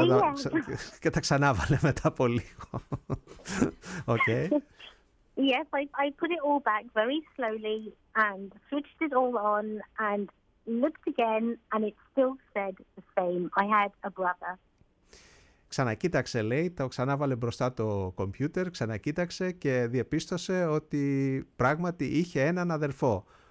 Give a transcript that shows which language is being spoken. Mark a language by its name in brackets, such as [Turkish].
[English] yeah. [Greek] Και τα ξανάβαλε μετά από λίγο. [English] Okay. Yes, I put it all back very slowly and switched it all on and looked again and it still said the same. I had a brother. [Greek] Ξανακοίταξε, λέει, το ξανάβαλε μπροστά το κομπιούτερ, ξανακοίταξε και διαπίστωσε ότι πράγματι είχε έναν αδερφό.